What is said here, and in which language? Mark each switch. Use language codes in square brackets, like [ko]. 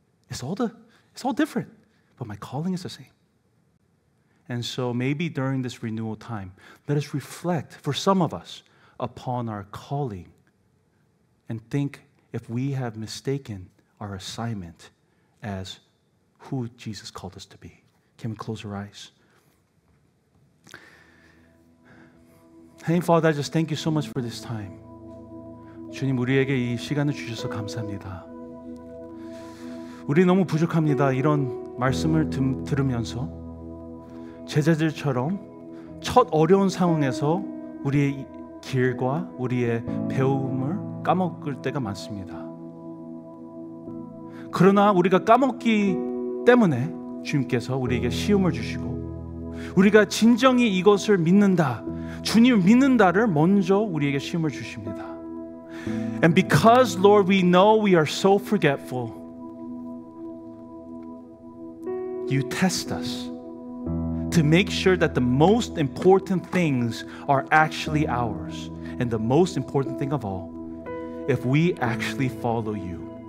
[en] It's all different, but my calling is the same. And so maybe during this renewal time, let us reflect, for some of us, upon our calling and think if we have mistaken our assignment as who Jesus called us to be. Can we close our eyes? Heavenly Father, I just thank you so much for this time. [ko] 주님, 우리에게 이 시간을 주셔서 감사합니다. 우리 너무 부족합니다. 이런 말씀을 들으면서 제자들처럼 첫 어려운 상황에서 우리의 길과 우리의 배움을 까먹을 때가 많습니다. 그러나 우리가 까먹기 때문에 주님께서 우리에게 시험을 주시고 우리가 진정히 이것을 믿는다, 주님을 믿는다를 먼저 우리에게 시험을 주십니다. [en] And because, Lord, we know we are so forgetful, you test us to make sure that the most important things are actually ours. And the most important thing of all, if we actually follow you.